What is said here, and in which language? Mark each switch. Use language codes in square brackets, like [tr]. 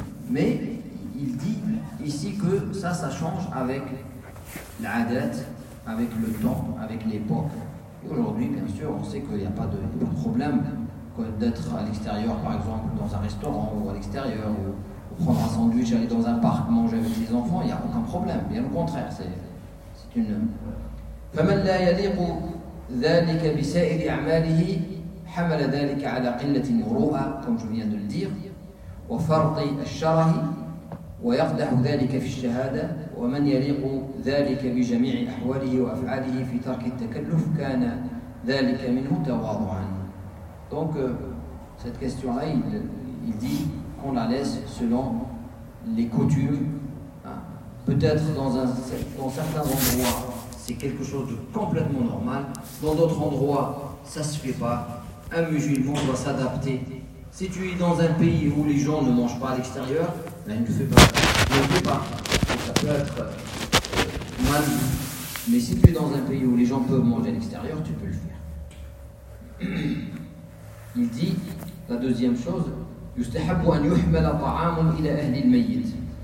[fr] Mais il dit ici que ça change avec l'adat, avec le temps, avec l'époque. Et aujourd'hui, bien sûr, on sait qu'il n'y a pas de problème d'être à l'extérieur, par exemple, dans un restaurant ou à l'extérieur, ou prendre un sandwich, aller dans un parc, manger avec des enfants, il n'y a aucun problème. Bien au contraire, c'est une... [ar] فَمَنْ لَا يَلِيقُ ذَلِكَ بِسَائِرِ أَعْمَالِهِ حَمَلَ ذَلِكَ عَلَى قِلَّةِ الْمُرُوءَةِ [fr] comme je viens de le dire, [ar] وَفَرْطِ الشَّرَهِ وَيَقْدَحُ ذَلِكَ فِي الشَّهَادَةِ وَمَنْ يَلِيقُ ذَلِكَ بِجَمِيعِ أَحْوَالِهِ وَأَفْعَالِهِ فِي تَرْكِ التَّكَلُّفِ كَانَ ذَلِكَ مِنْهُ تَوَاضُعًا. [fr] Donc, cette question-là, il dit qu'on la laisse selon les coutumes. Peut-être dans certains endroits, c'est quelque chose de complètement normal. Dans d'autres endroits, ça ne se fait pas. Un musulman doit s'adapter. Si tu es dans un pays où les gens ne mangent pas à l'extérieur, ne le fais pas. Ça peut être mal. Mais si tu es dans un pays où les gens peuvent manger à l'extérieur, tu peux le faire. Il dit la deuxième chose, [ar] يستحب أن يحمل طعام إلى أهل الميت.